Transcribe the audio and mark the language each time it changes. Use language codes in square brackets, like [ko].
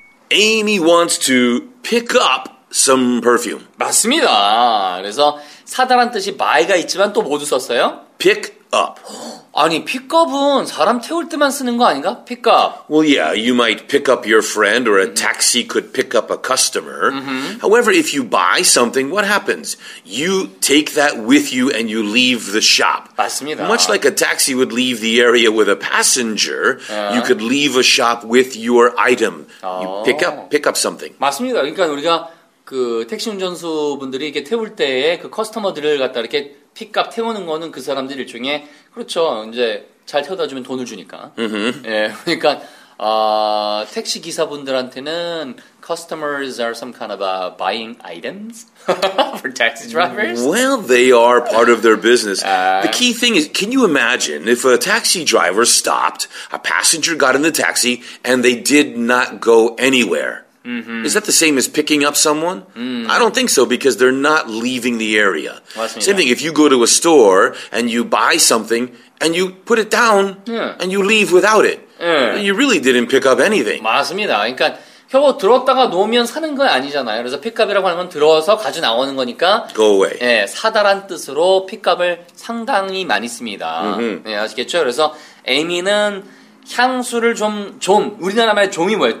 [en] Amy wants to pick up some perfume. [ko] 맞습니다. 그래서 사다란 뜻이 buy가 있지만 또 모두 썼어요? [en] Pick up. [ko] 아니, pick up은 사람 태울 때만 쓰는 거 아닌가? Pick up. [en] Well, yeah, you might pick up your friend or a taxi could pick up a customer. However, if you buy something, what happens? You take that with you and you leave the shop. [ko] 맞습니다. [en] Much like a taxi would leave the area with a passenger, you could leave a shop with your item. You pick up something. [ko] 맞습니다. 그러니까 우리가 그 택시 운전수분들이 이렇게 태울 때에 그 커스터머들을 갖다 이렇게 픽업 태우는 거는 그 사람들 일종의 그렇죠. 이제 잘 태워다 주면 돈을 주니까. 예. 그러니까 택시 기사분들한테는 [en] customers are some kind of buying items for taxi drivers. Well, they are part of their business. The key thing is, can you imagine if a taxi driver stopped, a passenger got in the taxi and they did not go anywhere? Is that the same as picking up someone? I don't think so, because they're not leaving the area. [ko] 맞습니다. [en] Same thing, if you go to a store and you buy something and you put it down and you leave without it, you really didn't pick up anything. [ko] 맞습니다. 그러니까 혀 들었다가 놓으면 사는 거 아니잖아요. 그래서 픽업이라고 하는 건 들어서 가져 나오는 거니까 [en] Go away. [ko] 예, 사다란 뜻으로 픽업을 상당히 많이 씁니다. 예, 아시겠죠? 그래서 에이미는 향수를 좀 우리나라 말 종이 뭐예요?